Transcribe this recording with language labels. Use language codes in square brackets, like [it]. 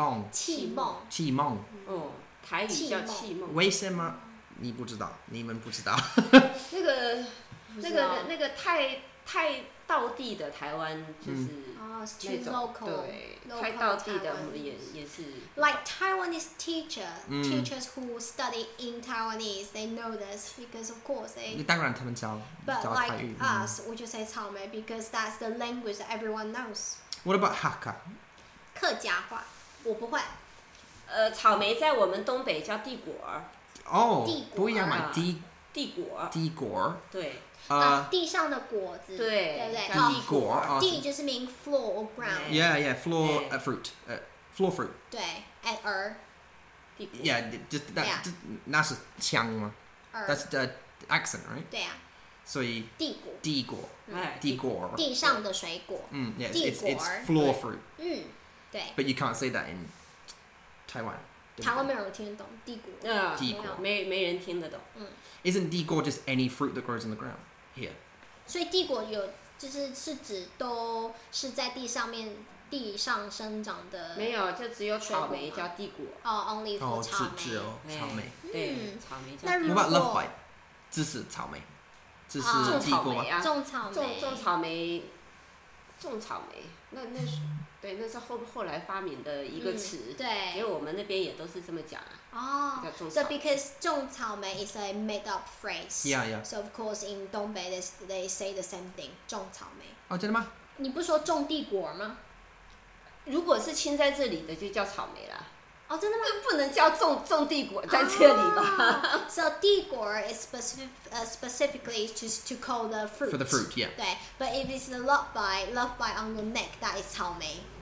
[zh] 气梦，台语叫气梦。为什么你不知道？你们不知道？那个太道地的台湾就是那种、 [en] too local, [zh] 对 [en] local [zh] 太道地的也是 [en] like Taiwanese teachers who study in Taiwanese they know this because of course they [zh] 你当然他们教 [en] but [zh] 教 [en] like [zh] 台语 [en] us we just say 草莓 because that's the language that everyone knows. What about Hakka? [zh] 客家话我不会。草莓在我们东北叫地果儿。哦，不一样嘛，地果儿对。地上的果子，对不对？地果，地就是 [en] mean floor or ground。 Yeah, floor a fruit, floor fruit。对 ，at er。 Yeah, [zh] 那是腔吗 [en] ？That's the accent, right? [zh] 对啊。所以地果，地果，地上的水果。 [en] Yeah, it's floor fruit。 [zh] 对。 [en] But you can't say that in Taiwan。 [zh] 台湾没有人听得懂地果，地果没人听得懂。 Isn't 地果 just any fruit that grows in the ground here? 所以地果有就是是指都是在地上面地上生长的，没有，就只有草莓叫地果。 [en] 哦、oh, ，only for 草莓。 [zh] 哦，只有草莓。对，草莓叫地果。那如果这是草莓，这是地果吗？种草莓、啊，种草莓，种草莓。那是对，那是后来发明的一个词、嗯。对，因为我们那边也都是这么讲啊。 [en] 哦、oh, ，so because 种草莓 is a made up phrase. Yeah, yeah. So of course in Dongbei they say the same thing. [zh] 种草莓。哦、oh, ，真的吗？你不说种地果吗？如果是亲在这里的就叫草莓了。哦、oh, ，真的吗？不能叫种地果在这里吧、 [en] oh, ？So 地果 is specifically to call the fruit. For the fruit, yeah. 对 ，but if it's the love by on your neck, that is 草莓。